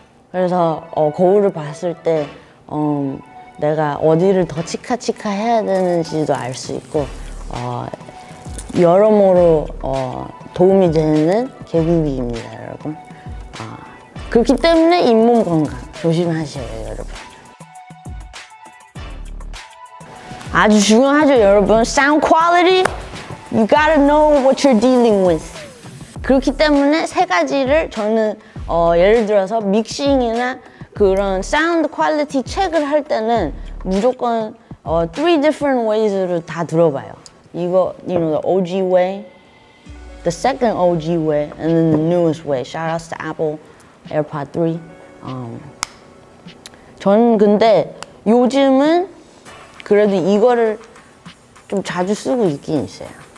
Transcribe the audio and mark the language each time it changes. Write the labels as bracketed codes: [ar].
[ko] 그래서 거울을 봤을 때 내가 어디를 더 치카치카 해야 되는지도 알 수 있고 여러모로 도움이 되는 개구기입니다, 여러분. 그렇기 때문에 잇몸 건강 조심하셔요, 여러분. 아주 중요하죠, 여러분. [en] Sound quality, you gotta know what you're dealing with. [ko] 그렇기 때문에 세 가지를 저는 예를 들어서 믹싱이나 그런 사운드 퀄리티 체크를 할 때는 무조건 [en] three different ways [ko] 로 다 들어봐요. [en] 이거 the OG way, the second OG way, and then the newest way. Shout out to Apple AirPod 3. [ko] 저는 근데 요즘은 그래도 이거를 좀 자주 쓰고 있긴 있어요.